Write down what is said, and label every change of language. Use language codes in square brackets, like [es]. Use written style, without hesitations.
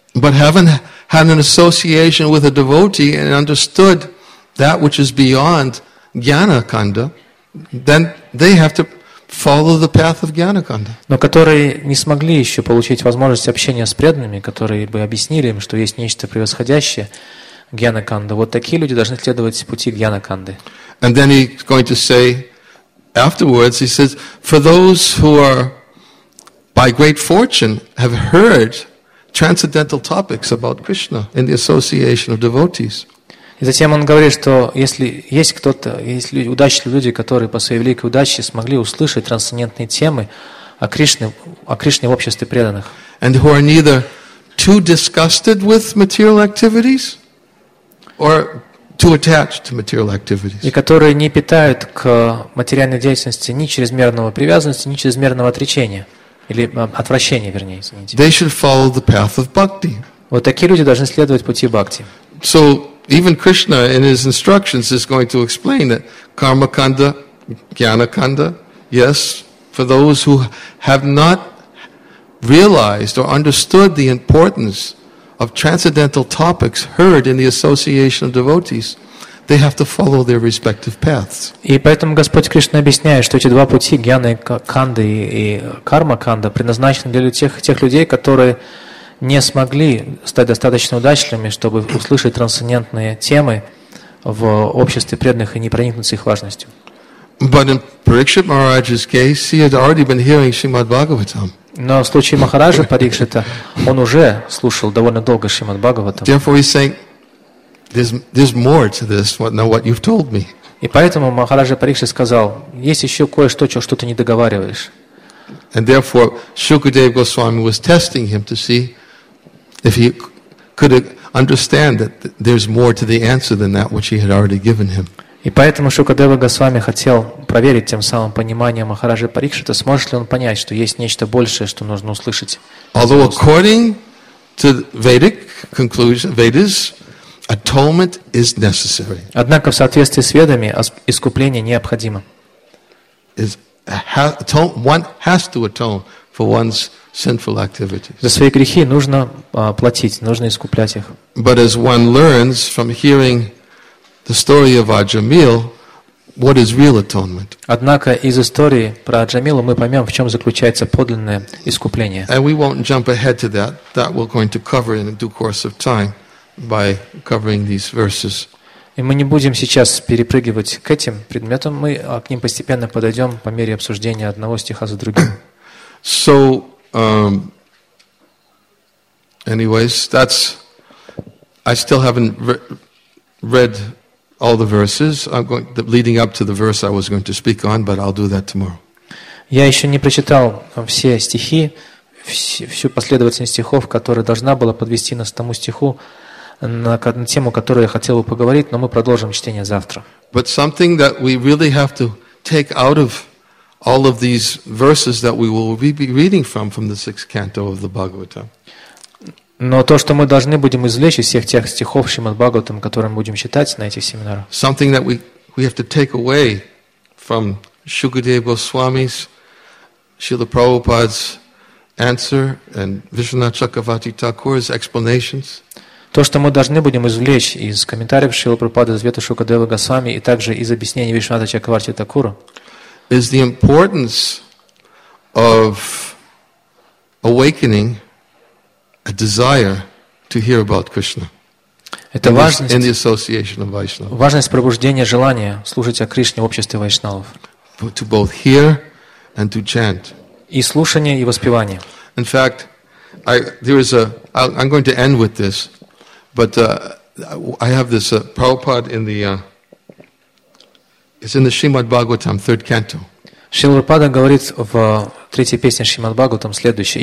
[en] But having had an association with a devotee and understood that which is beyond Jnana Kanda, then they have to follow the path of Jnana Kanda. [ru] Но которые не смогли еще получить возможность общения с преданными, которые бы объяснили им, что есть нечто превосходящее Jnana Kanda. Вот такие люди должны следовать пути Jnana Kanda. [en] And then he's going to say. Afterwards, he says, for those who are, by great fortune, have heard transcendental topics about Krishna in the association of devotees. [ru] И затем он говорит, что если есть кто-то, есть люди, удачливые люди, которые по своей великой удаче смогли услышать трансцендентные темы о Кришне в обществе преданных. [en] And who are neither too disgusted with material activities or too attached to material activities. [ru] И которые не питают к материальной деятельности ни чрезмерного привязанности, ни чрезмерного отречения или отвращения, вернее, извините. [en] They should follow the path of bhakti. [ru] Вот такие люди должны следовать пути бхакти. [en] So even Krishna in his instructions is going to explain that karma kanda, jnana kanda, yes, for those who have not realized or understood the importance of transcendental topics heard in the association of devotees, they have to follow their respective paths. [ru] И поэтому Господь Кришна объясняет, что эти два пути, гьяна канда и карма канда, предназначены для тех людей, которые не смогли стать достаточно удачливыми, чтобы услышать трансцендентные темы в обществе преданных и не проникнуться их важностью. [en] But in Parikshit Maharaj's case, he had already been hearing Srimad Bhagavatam. [ru] Но в случае Махараджа Парикшита он уже слушал довольно долго Шримад Бхагаватам. [en] Therefore, he's saying, "There's more to this than what you've told me." [ru] И поэтому Махараджа Парикшита сказал: "Есть еще кое-что, что ты не договариваешь." [en] And therefore, Shukadeva Goswami was testing him to see if he could understand that there's more to the answer than that which he had already given him. [ru] И поэтому Шукадева Госвами хотел проверить тем самым понимание Махараджи Парикшита, сможет ли он понять, что есть нечто большее, что нужно услышать. [en] Although according to Vedic conclusion, Vedas, atonement is necessary. [ru] Однако в соответствии с Ведами искупление необходимо. [en] One has to atone for one's sinful activities. [ru] За свои грехи нужно платить, нужно искуплять их. [en] But as one learns from hearing the story of Аджамил, what is real atonement? [ru] Однако из истории про Аджамилу мы поймем, в чем заключается подлинное искупление. [en] And we won't jump ahead to that. That we're going to cover in due course of time by covering these verses. [ru] И мы не будем сейчас перепрыгивать к этим предметам. Мы к ним постепенно подойдем по мере обсуждения одного стиха за другим. [en] So, anyways, that's. I still haven't read all the verses. I'm going leading up to the verse I was going to speak on, but I'll do that tomorrow. [ru] Я еще не прочитал все стихи, всю последовательность стихов, которая должна была подвести нас к тому стиху, на тему, которую я хотел бы поговорить, но мы продолжим чтение завтра. [en] But something that we really have to take out of all of these verses that we will be reading from the sixth canto of the Bhagavatam. [ru] Но то, что мы должны будем извлечь из всех тех стихов Шримад Бхагаватам, которые мы будем читать на этих семинарах. [en] Something that we have to take away from Shukadeva Goswami's, Srila Prabhupada's answer and Vishwanatha Chakravarti Thakur's explanations. [ru] То, что мы должны будем извлечь из комментариев Шрила Прабхупады, Звета Шукадева Госвами и также из объяснений Вишнуната Чакраварти Такура, [en] is the importance of awakening a desire to hear about Krishna. [ru] Это важность, [en] in the association of Vaishnavas. [ru] Важность пробуждения желания слушать о Кришне в обществе вайшнавов. [en] To both hear and to chant. [ru] И слушание, и воспевание. [en] In fact, I'm going to end with this. But I have this Prabhupada in the it's in the Srimad Bhagavatam, third canto. [ru] Шрила Прабхупада говорит в третьей песне Шримад Бхагаватам следующее.